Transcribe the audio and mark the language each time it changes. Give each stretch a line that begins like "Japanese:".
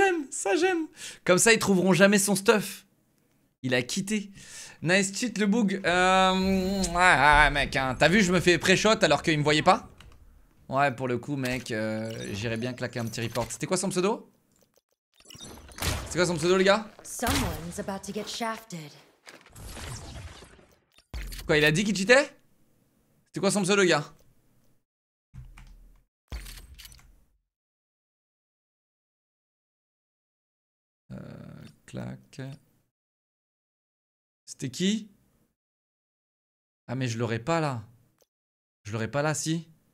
French: Ça j'aime. Comme ça, ils trouveront jamais son stuff. Il a quitté. Nice cheat le bug. Mec, hein, t'as vu, je me fais pré-shot alors qu'il me voyait pas. Ouais, pour le coup, mec, j'irais bien claquer un petit report. C'était quoi son pseudo? C'est quoi son pseudo, les gars?
English: Someone's about to get shafted.
French: Quoi, il a dit qu'il cheatait? C'était quoi son pseudo, les gars? Claque. C'était qui? Ah mais je l'aurais pas là. Je l'aurais pas là, si.